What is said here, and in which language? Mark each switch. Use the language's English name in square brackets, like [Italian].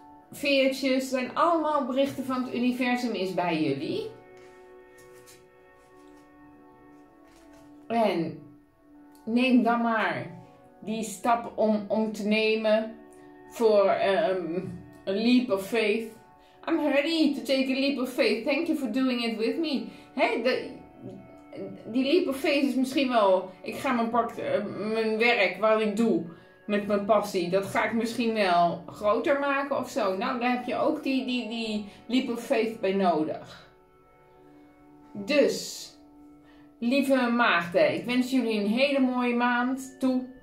[Dutch] Veertjes, zijn allemaal berichten van het universum is bij jullie. En neem dan maar die stap om te nemen voor een leap of faith. [English] I'm ready to take a leap of faith. Thank you for doing it with me. Hey, [Dutch] die leap of faith is misschien wel, ik ga mijn werk, wat ik doe, met mijn passie, dat ga ik misschien wel groter maken of zo. Nou, daar heb je ook die leap of faith bij nodig. Dus, lieve maagden, ik wens jullie een hele mooie maand toe.